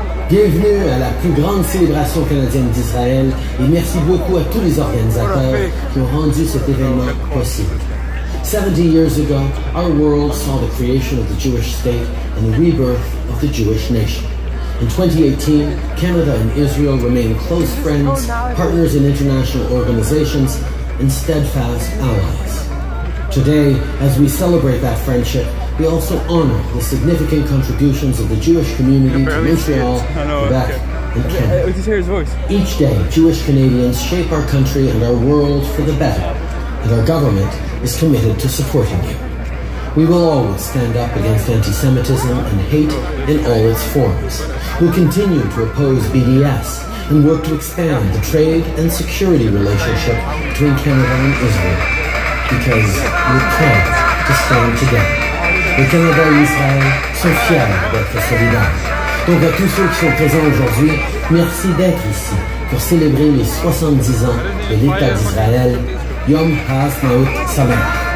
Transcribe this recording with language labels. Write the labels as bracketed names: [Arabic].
[French] Bienvenue à la plus grande célébration canadienne d'Israël et merci beaucoup à tous les organisateurs qui ont rendu cet événement possible. [English] 70 years ago, our world saw the creation of the Jewish state and the rebirth of the Jewish nation. In 2018, Canada and Israel remain close friends, partners in international organizations, and steadfast allies. Today, as we celebrate that friendship, we also honor the significant contributions of the Jewish community to Montreal, Quebec, and Canada. Each day, Jewish Canadians shape our country and our world for the better, and our government is committed to supporting you. We will always stand up against anti-Semitism and hate in all its forms. We'll continue to oppose BDS and work to expand the trade and security relationship between Canada and Israel. Because we can to stand together. [French] Le Canada et Israël sont fiers d'être solidaires. Donc à tous ceux qui sont présents aujourd'hui, merci d'être ici pour célébrer les 70 ans de l'État d'Israël. [Hebrew] Yom Ha'atzmaut Sameach.